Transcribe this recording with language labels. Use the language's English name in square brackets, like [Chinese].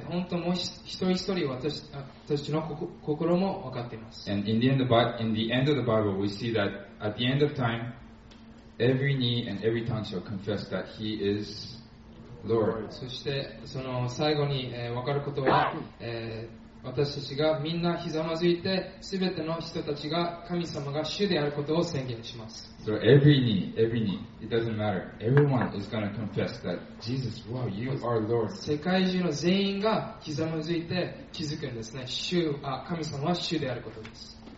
[Japanese] で、本当もう一人一人私の心も分かっています。 [English] And in the end of the Bible, we see that at the end of time, every knee and every tongue shall confess that He is Lord. [Japanese] そしてその最後に、分かることは、私たちがみんなひざまずいて、すべての人たちが神様が主であることを宣言します。 [English] So every knee, it doesn't matter. Everyone is going to confess that Jesus, wow, you are Lord. [Japanese] 世界中の全員がひざまずいて気づくんですね。神様は主であることです。